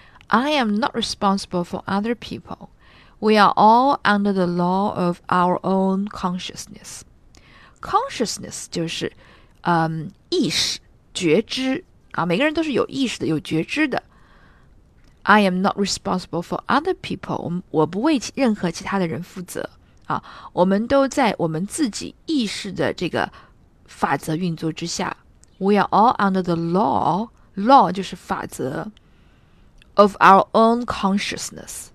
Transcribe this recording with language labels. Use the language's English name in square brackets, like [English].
[English] I am not responsible for other people. We are all under the law of our own consciousness. [Chinese] Consciousness 就是意识、觉知啊，每个人都是有意识的、有觉知的。 [English] I am not responsible for other people. [Chinese] 我不为任何其他的人负责啊，我们都在我们自己意识的这个法则运作之下。 We are all under the law. Law 就是法则。 [English] of our own consciousness.